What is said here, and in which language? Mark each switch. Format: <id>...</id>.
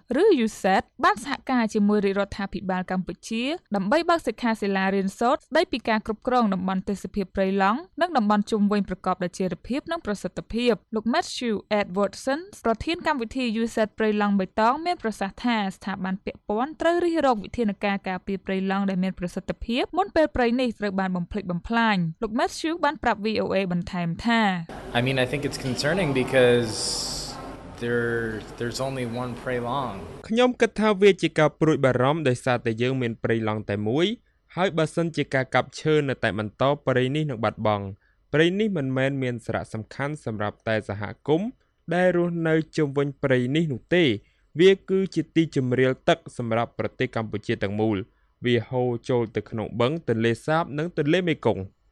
<km>ឬ USAID បានសហការជាមួយរាជរដ្ឋាភិបាលកម្ពុជាដើម្បីបើកសិក្ខាសាលារៀនសូត្រស្ដីពីការគ្រប់គ្រងតំបន់ទេសភាពព្រៃឡង់និងតំបន់ជុំវិញប្រកបដោយចីរភាពនិងប្រសិទ្ធភាពលោក Matthew Edwardson ប្រធានកម្មវិធី USAID ព្រៃឡង់បៃតងមានប្រសាសន៍ថាស្ថាប័នពាក់ព័ន្ធត្រូវរៀបរកវិធានការការពារព្រៃឡង់ដែលមានប្រសិទ្ធភាពមុនពេលព្រៃនេះត្រូវបានបំផ្លិចបំផ្លាញលោក Matthew បានប្រាប់ VOA បន្ថែមថា</km> <en>I mean I think it's concerning becauseThere's only one prey long</en> <km>ខ្ញុំគិតថាវាជាការប្រួយបារម្ភដោយសារតែយើងមានព្រៃឡង់តែមួយហើយបើសិនជាការកាប់ឈើនៅតែបន្តព្រៃនេះនឹងបាត់បង់ព្រៃនេះមិនមែនមានសារៈសំខាន់សម្រាប់តែសហគមន៍ដែលរស់នៅជុំវិញព្រៃនេះនោះទេវាគឺជាទីជម្រាលទឹកសម្រាប់ប្រទេសកម្ពុជាទាំងមូលវាហូរចូលទៅក្នុងបឹងទន្លេសាបនិងទន្លេមេគង្គ</km>